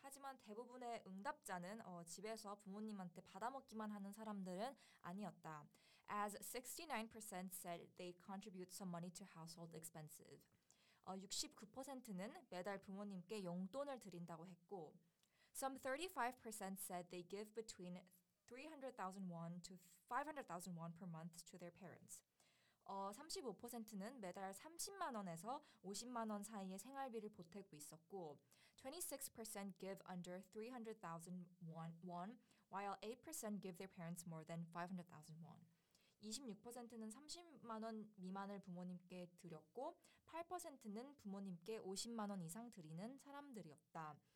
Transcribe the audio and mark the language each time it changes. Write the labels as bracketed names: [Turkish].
[Korean] 하지만 대부분의 응답자는 집에서 부모님한테 받아먹기만 하는 사람들은 아니었다. [English] As 69% said they contribute some money to household expenses. [Korean] 69%는 매달 부모님께 용돈을 드린다고 했고, [English] some 35% said they give between 300,000 won to 500,000 won per month to their parents. [Korean] 35%는 매달 30만 원에서 50만 원 사이의 생활비를 보태고 있었고, [English] 26% give under 300,000 won, while 8% give their parents more than 500,000 won. [Korean] 26%는 30만 원 미만을 부모님께 드렸고 8%는 부모님께 50만 원 이상 드리는 사람들이었다.